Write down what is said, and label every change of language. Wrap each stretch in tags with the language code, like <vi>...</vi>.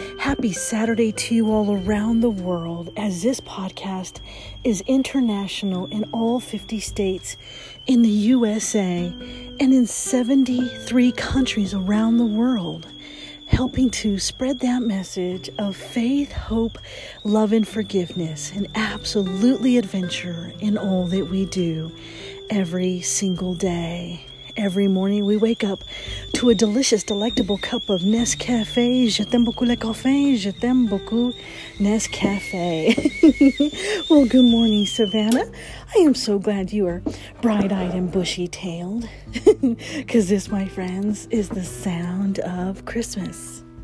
<en>Happy Saturday to you all around the world, as this podcast is international in all 50 states in the USA and in 73 countries around the world, helping to spread that message of faith, hope, love, and forgiveness, and absolutely adventure in all that we do every single day. Every morning we wake up to a delicious, delectable cup of Nescafé.</en> <fr>Je t'aime beaucoup le café. Je t'aime beaucoup Nescafé.</fr> <en>Well, good morning, Savannah. I am so glad you are bright-eyed and bushy-tailed. Because this, my friends, is the sound of Christmas.</en>